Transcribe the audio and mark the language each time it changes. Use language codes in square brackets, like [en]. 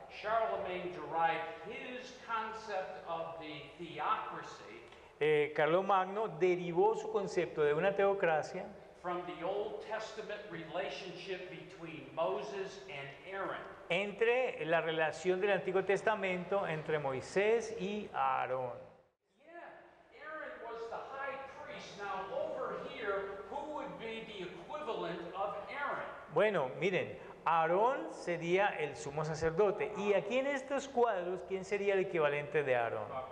[en] Charlemagne derived his concept of the theocracy, [es] Carlomagno derivó su concepto de una teocracia [en] from the Old Testament relationship between Moses and Aaron, [es] entre la relación del Antiguo Testamento entre Moisés y Aarón. [en] Yeah, Aaron was the high priest. Now over here, who would be the equivalent of Aaron? [es] Bueno, miren, Aarón sería el sumo sacerdote. Y aquí en estos cuadros, ¿quién sería el equivalente de Aarón?